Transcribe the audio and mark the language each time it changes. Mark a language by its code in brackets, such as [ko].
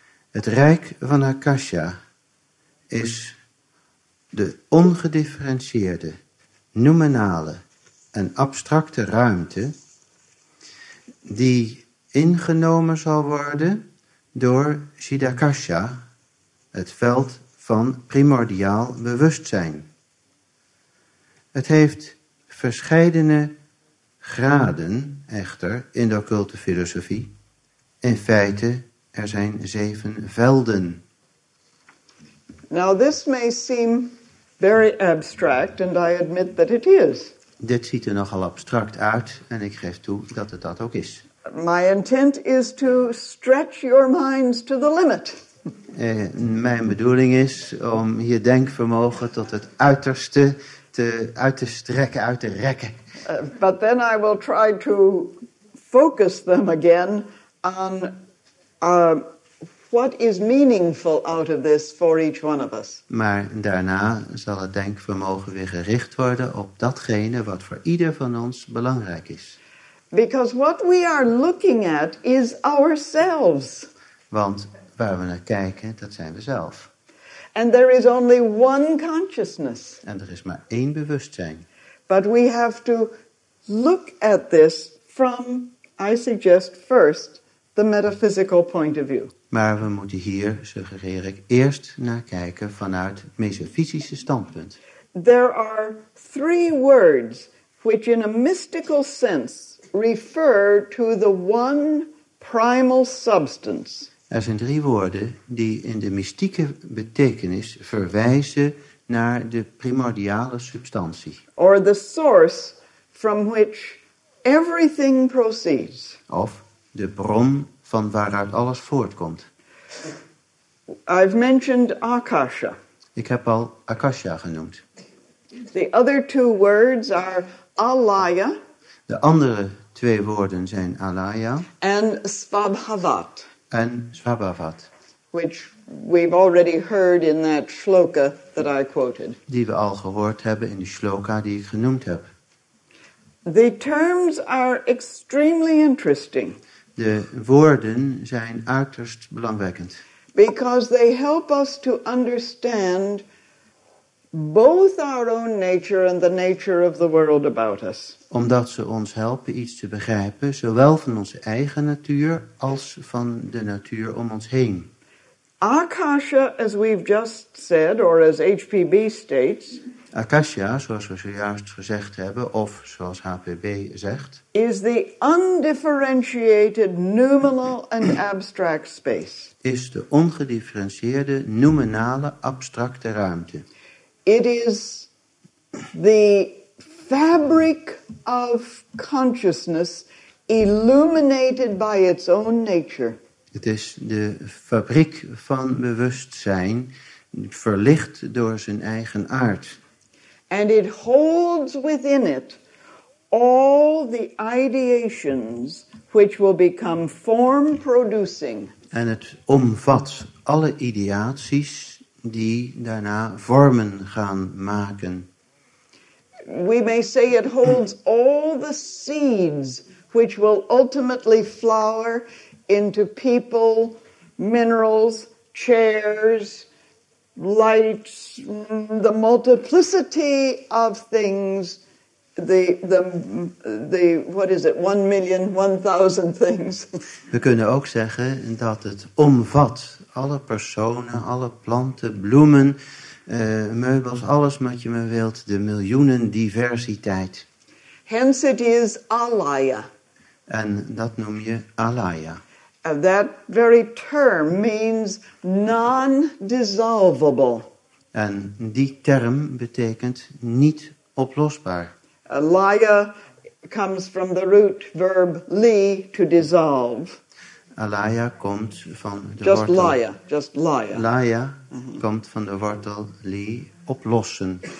[nl] Het rijk van Akasha is de ongedifferentieerde, noumenale en abstracte ruimte die ingenomen zal worden door Chidakasha, het veld van primordiaal bewustzijn. Het heeft verscheidene graden, echter, in de occulte filosofie. In feite, er zijn zeven velden. [en] Now this may seem very abstract, and I admit that it is. [nl] Dit ziet er nogal abstract uit en ik geef toe dat het dat ook is. [en] My intent is to stretch your minds to the limit. [nl] Mijn bedoeling is om je denkvermogen tot het uiterste uit te rekken. [en] But then I will try to focus them again on what is meaningful out of this for each one of us. [nl] Maar daarna zal het denkvermogen weer gericht worden op datgene wat voor ieder van ons belangrijk is. [en] Because what we are looking at is ourselves. [nl] Want waar we naar kijken, dat zijn we zelf. [en] And there is only one consciousness. [nl] En er is maar één bewustzijn. [en] But we have to look at this from, I suggest, first, the metaphysical point of view. [nl] Maar we moeten hier, suggereer ik, eerst naar kijken vanuit het metafysische standpunt. [en] There are three words which in a mystical sense refer to the one primal substance. [nl] Er zijn drie woorden die in de mystieke betekenis verwijzen naar de primordiale substantie. [en] Or the source from which everything proceeds. [nl] Of de bron van waaruit alles voortkomt. [en] I've mentioned Akasha. [nl] Ik heb al Akasha genoemd. [en] The other two words are Alaya. [nl] De andere twee woorden zijn Alaya. En Svabhavat. En Svabhavat. [en] Which we've already heard in that shloka that I quoted. [nl] Die we al gehoord hebben in de shloka die ik genoemd heb. [en] The terms are extremely interesting. [nl] De woorden zijn uiterst belangwekkend. [en] Because they help us to understand both our own nature and the nature of the world about us. [nl] Omdat ze ons helpen iets te begrijpen, zowel van onze eigen natuur als van de natuur om ons heen. [en] Akasha, as we've just said, or as HPB states, [nl] Akasha, zoals we zojuist gezegd hebben, of zoals HPB zegt, [en] is the undifferentiated noumenal and abstract space. [nl] Is de ongedifferentieerde noumenale abstracte ruimte. [en] It is the fabric of consciousness illuminated by its own nature. [nl] Het is de fabriek van bewustzijn, verlicht door zijn eigen aard. [en] And it holds within it all the ideations which will become form producing. [nl] En het omvat alle ideaties die daarna vormen gaan maken. [en] We may say it holds all the seeds which will ultimately flower into people, minerals, chairs, lights, the multiplicity of things, the 1 million, 1,000 things. [nl] We kunnen ook zeggen dat het omvat alle personen, alle planten, bloemen, meubels, alles wat je maar wilt, de miljoenen diversiteit. [en] Hence it is Alaya. [nl] En dat noem je Alaya. [en] That very term means non-dissolvable. [nl] En die term betekent niet oplosbaar. [en] Alaya comes from the root verb li, to dissolve. [nl] Alaya komt van de [en] just [nl] wortel. [en] Laya, just laya. [nl] Laya komt van de wortel li, oplossen.